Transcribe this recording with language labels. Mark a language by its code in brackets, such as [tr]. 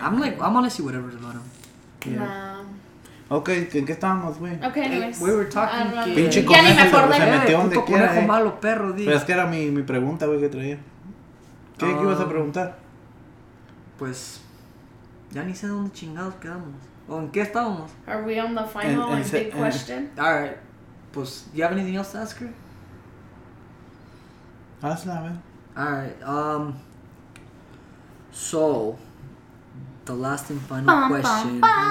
[en] I'm like, I'm honestly whatever about him. Nah. [es] Okay, ¿en qué estábamos, güey? [en] Okay, anyways. We were talking. [es] Pinche conejo, se metió donde quiera, conejo malo, perro, dije. Pero es que era mi pregunta, güey, que traía. ¿Qué ibas a preguntar? Pues, ya ni sé dónde chingados quedamos. ¿O en qué estábamos? [en] Are we on the final and big question? All right. Pues, do you have anything else to ask her? That's not it. All right. So, the last and final question.